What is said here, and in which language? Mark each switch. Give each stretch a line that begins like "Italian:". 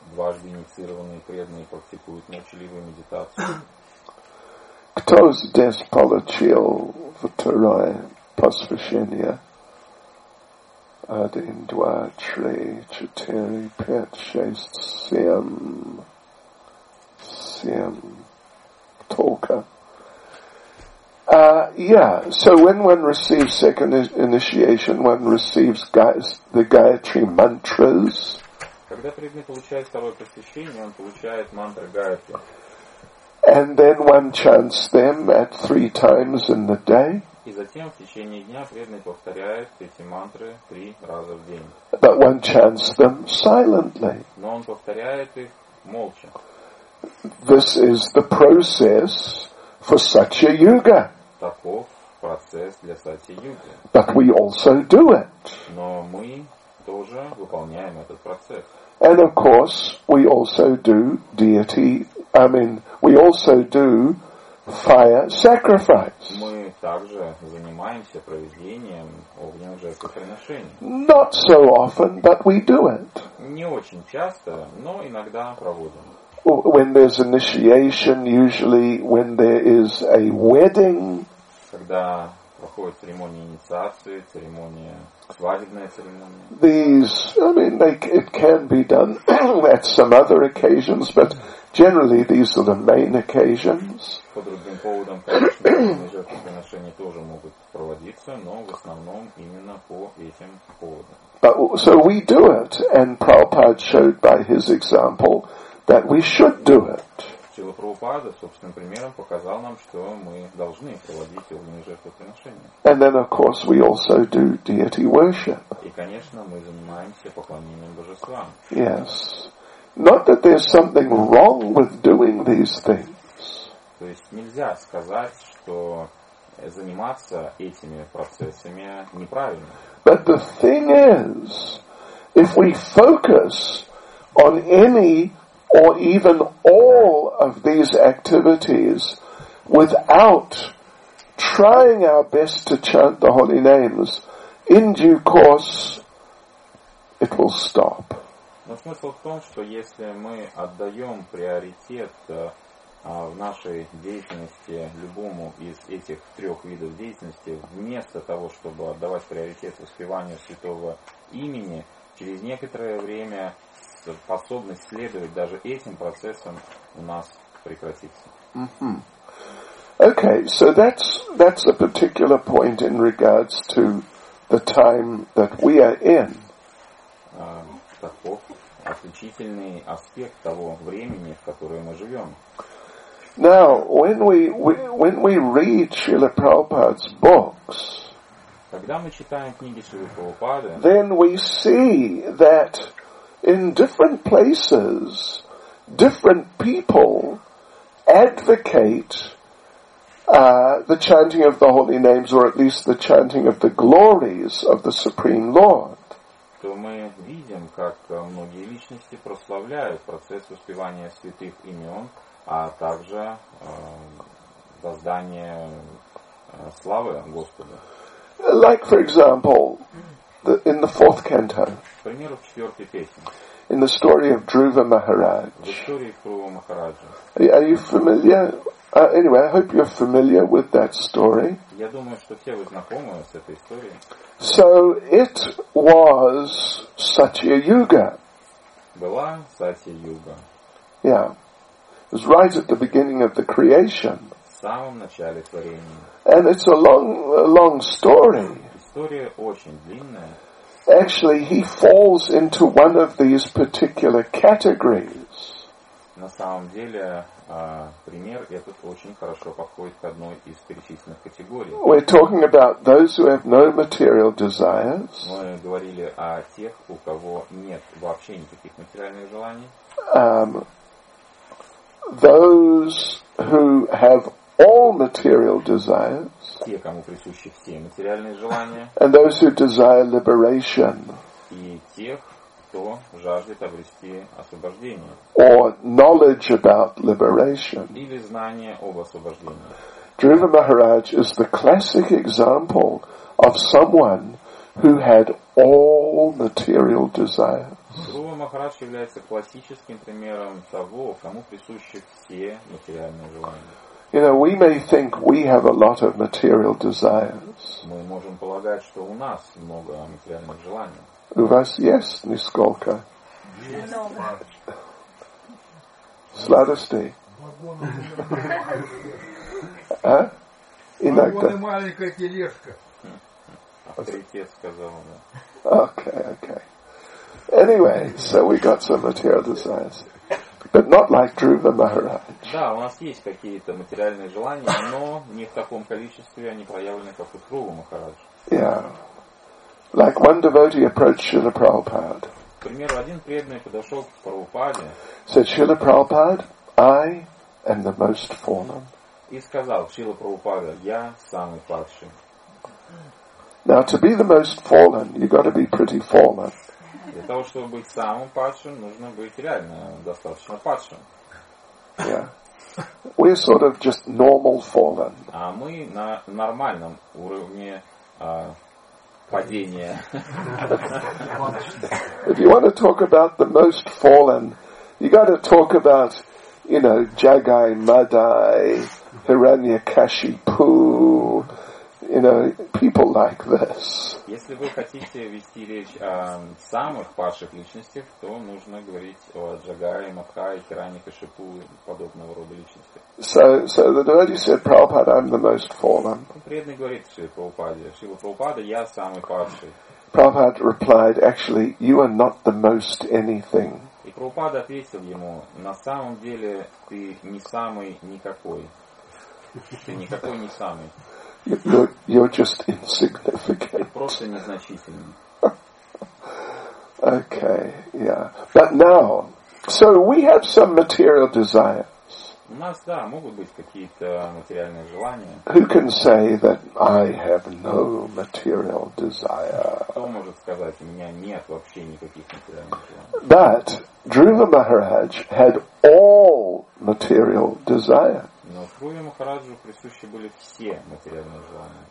Russian: Дважды инициированные преданные практикуют молчаливую медитацию. Кто здесь получил второе посвящение? Один, два, три, четыре, пять, шесть, семь. Только.
English: Yeah, so when one receives second initiation, one receives the Gayatri mantras.
Russian: Когда преданный получает второе посвящение, он получает мантры Гаятри.
English: And then one chants them at three times in the day.
Russian: И затем в течение дня преданный повторяет эти мантры три раза в день.
English: But one chants them silently.
Russian: Но он повторяет их молча.
English: This is the process for Satya Yuga.
Russian: Таков процесс для Сати Юги.
English: But we also do it.
Russian: Но мы тоже выполняем этот процесс.
English: And of course, we also do deity, we also do fire sacrifice.
Russian: Мы также занимаемся проведением огненных жертвоприношений.
English: Not so often, but we do it.
Russian: Не очень часто, но иногда проводим.
English: When there's initiation, usually when there is a wedding.
Russian: Когда проходит церемония инициации, церемония свадебная церемония.
English: These, it can be done at some other occasions, but generally these are the main occasions.
Russian: По другим поводам, конечно, жертвоприношения тоже могут проводиться, но в основном именно по этим поводам.
English: But, so we do it, and Prabhupada showed by his example that we should do it.
Russian: Чила Прабхупада собственным примером показал нам, что мы должны проводить огненные жертвоприношения.
English: And then, of course, we also do deity worship.
Russian: И, конечно, мы занимаемся поклонением божествам.
English: Yes. Not that there's something wrong with doing these things.
Russian: То есть нельзя сказать, что заниматься этими процессами неправильно.
English: But the thing is, if we focus on any or even all of these activities without trying our best to chant the holy names, in due course, it will stop.
Russian: Но смысл в том, что если мы отдаем приоритет в нашей деятельности любому из этих трех видов деятельности, вместо того, чтобы отдавать приоритет воспеванию святого имени, через некоторое время способность следовать даже этим процессам у нас прекратится. Mm-hmm.
English: Okay, so that's a particular point in regards to the time that we are in.
Russian: Таков отличительный аспект того времени, в которое мы живем.
English: Now, when we read Srila Prabhupada's books,
Russian: когда мы читаем книги Шрилы Прабхупады,
English: then we see that in different places, different people advocate the chanting of the holy names, or at least the chanting of the glories of the Supreme Lord.
Russian: То мы видим, как многие личности прославляют процесс воспевания святых имен, а также воздание славы Господу.
English: Like, for example, in the fourth canto.
Russian: К примеру, в четвертой песне.
English: In the story of Dhruva Maharaj.
Russian: В истории Дхрува Махараджа.
English: Are you familiar Anyway, I hope you're familiar with that story.
Russian: Я думаю, что все вы знакомы с этой историей.
English: So it was Satya-yuga.
Russian: Была Сатья-юга.
English: Yeah. It was right at the beginning of the creation.
Russian: В самом начале творения.
English: And it's a long story.
Russian: История очень длинная.
English: Actually, he falls into one of these particular categories.
Russian: На самом деле, пример этот очень хорошо подходит к одной из перечисленных категорий.
English: We're talking about those who have no material desires.
Russian: Мы говорили о тех, у кого нет вообще никаких материальных желаний.
English: Those who have all material desires.
Russian: Те, кому присущи все материальные желания.
English: And those who desire liberation.
Russian: И тех, кто жаждет обрести освобождение.
English: Or knowledge about liberation.
Russian: Или знание об освобождении.
English: Dhruva Maharaj is the classic example of someone who had all material desires.
Russian: Dhruva Maharaj является классическим примером того, кому присущи все материальные желания.
English: You know, we may think we have a lot of material desires.
Russian: Мы можем полагать, что у нас много материальных желаний. У вас есть нисколько? Много. Сладости. Вагоны маленькая тележка. Авторитет сказал, да.
English: Okay. Anyway, so we got some material desires. But not like Dhruva Maharaj.
Russian: Да, у нас есть какие-то материальные желания, но не в таком количестве они проявлены, как у Dhruva Maharaj.
English: Yeah. Like one devotee approached Srila Prabhupada.
Russian: К примеру, один преданный подошел к Прабхупаде.
English: Said Srila Prabhupada, I am the most fallen.
Russian: И сказал Srila Prabhupada, я самый падший.
English: Now to be the most fallen, you got to be pretty fallen.
Russian: Для того, чтобы быть самым падшим, нужно быть реально достаточно падшим.
English: Yeah. We're sort of just normal fallen.
Russian: А мы на нормальном уровне падения.
English: If you want to talk about the most fallen, you got to talk about, you know, Jagai Madai, Hiranyakashipu. You know, people like this.
Russian: Если вы хотите вести речь о самых падших личностях, то нужно говорить о Джагае, Мадхае, Хиране, Кашипу и подобного рода личностях.
English: So the devotee said, Prabhupada, I'm the most fallen.
Russian: Преданный говорит Шри Прабхупаде, Шри Прабхупада, я самый падший.
English: Prabhupada replied, actually, you are not the most anything.
Russian: И Прабхупада ответил ему, на самом деле ты не самый никакой. Ты никакой не самый.
English: You're just insignificant.
Russian: Просто незначительный.
English: Okay, yeah. But now, so we have some material desires.
Russian: У нас, да, могут быть какие-то материальные желания.
English: Who can say that I have no material desire?
Russian: Кто может сказать, у меня нет вообще никаких материальных желаний?
English: But Dhruva Maharaj had all material desires.
Russian: Но Дхруве Махараджу присущи были все материальные желания.